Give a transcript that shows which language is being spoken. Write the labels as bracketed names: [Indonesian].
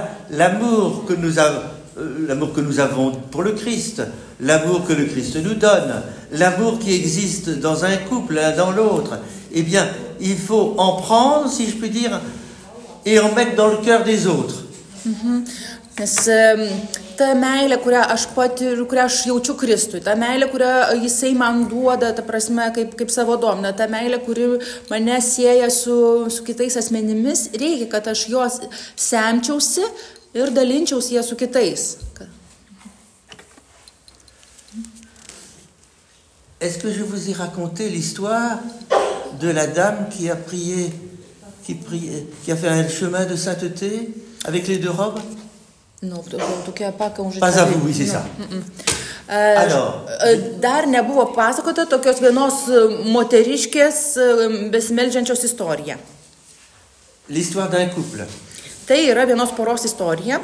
[French] l'amour que nous avons pour le Christ, l'amour que le Christ nous donne, l'amour qui existe dans un couple, l'un dans l'autre... eh bien, il faut en prendre, si je puis dire, et en mettre dans le cœur des autres. [Lithuanian] Nes ta meilė, kurią aš patiriu, kurią aš jaučiu Kristui, ta meilė, kurią jisai man duoda, ta prasme, kaip savo domina, ta meilė, kuri mane sieja su kitais asmenimis, reikia, kad aš jos semčiausi ir dalinčiausi ją su kitais. [French] Est-ce que je vous ai raconté l'histoire de la dame qui a prié, qui a fait un chemin de sainteté avec les deux robes? Non, en tout cas pas quand j'ai. Pas à vous, oui, c'est non. Ça. [Lithuanian] Dar nebuvo pasakota tokios vienos moteriškės besimeldžiančios istorija. [French] L'histoire d'un couple. [Lithuanian] Tai yra vienos poros istorija.